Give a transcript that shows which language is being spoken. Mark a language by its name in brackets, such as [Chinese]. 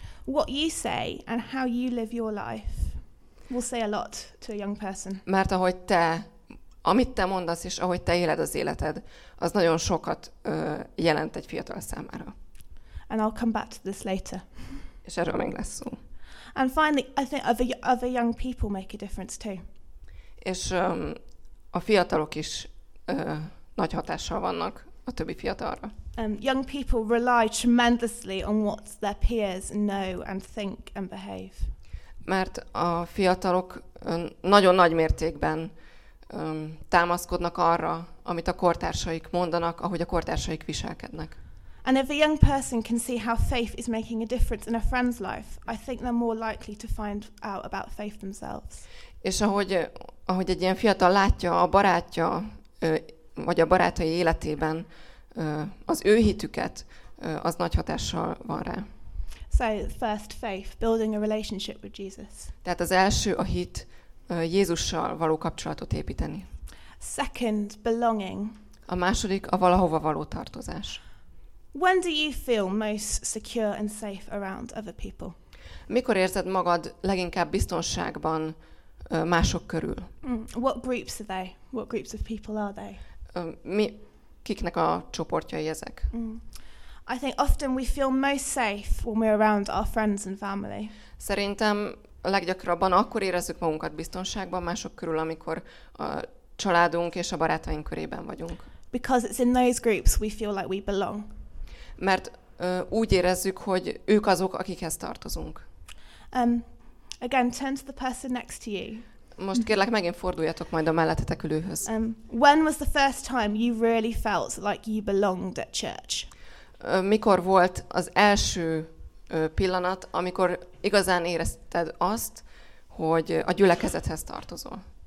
[English] What you say and how you live your life will say a lot to a young person. [Hungarian] Mert ahogy te, amit te mondasz, és ahogy te éled az életed, az nagyon sokat jelent egy fiatal számára. [English] And I'll come back to this later. [Hungarian] És erről még lesz szó. [English] And finally, I think other young people make a difference too. [Hungarian] És a fiatalok is nagy hatással vannak a többi fiatalra. [English] Young people rely tremendously on what their peers know and think and behave. [Hungarian] Mert a fiatalok nagyon nagy mértékben támaszkodnak arra, amit a kortársaik mondanak, ahogy a kortársaik viselkednek. [English] And if a young person can see how faith is making a difference in a friend's life, I think they're more likely to find out about faith themselves. [Hungarian] És ahogy egy ilyen fiatal látja a barátja vagy a barátai életében az ő hitüket, az nagy hatással van rá. [English] So first faith, building a relationship with Jesus. [Hungarian] Tehát az első a hit, Jézussal való kapcsolatot építeni. [English] Second, belonging. [Hungarian] A második a valahova való tartozás. [English] When do you feel most secure and safe around other people? [Hungarian] Mikor érzed magad leginkább biztonságban mások körül? [English] What groups are they? What groups of people are they? [Hungarian] Kiknek a csoportjai ezek? [English] I think often we feel most safe when we're around our friends and family. [Hungarian] Szerintem leggyakrabban akkor érezzük magunkat biztonságban mások körül, amikor a családunk és a barátaink körében vagyunk. [English] Because it's in those groups we feel like we belong. [Hungarian] Mert úgy érezzük, hogy ők azok, akikhez tartozunk. [English] Again, turn to the person next to you. [Hungarian] Most kérlek, megint forduljatok majd a mellettetek ülőhöz. [English] When was the first time you really felt like you belonged at church? [Hungarian] Mikor volt az első pillanat, amikor igazán érezted azt, hogy a gyülekezethez tartozol?